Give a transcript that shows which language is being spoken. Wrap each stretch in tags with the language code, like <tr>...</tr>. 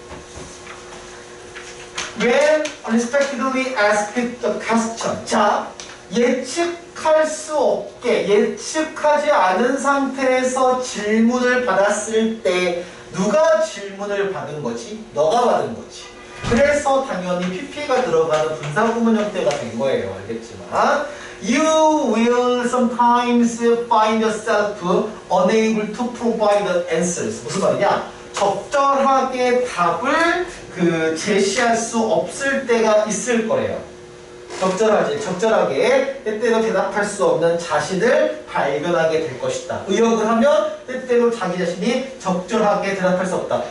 <en>When unexpectedly asked the question.</en> <ko>자, 예측할 수 없게, 예측하지 않은 상태에서 질문을 받았을 때 누가 질문을 받은 거지? 너가 받은 거지. 그래서 당연히 PP가 들어가는 분사구문 형태가 된 거예요. 알겠지만</ko> <en>You will sometimes find yourself unable to provide the answers.</en> <ko>무슨 말이냐? 적절하게 답을 제시할 수 없을 때가 있을 거예요. 적절하지, 적절하게 때때로 대답할 수 없는 자신을 발견하게 될 것이다. 의역을 하면 때때로 자기 자신이 적절하게 대답할 수 없다.</ko>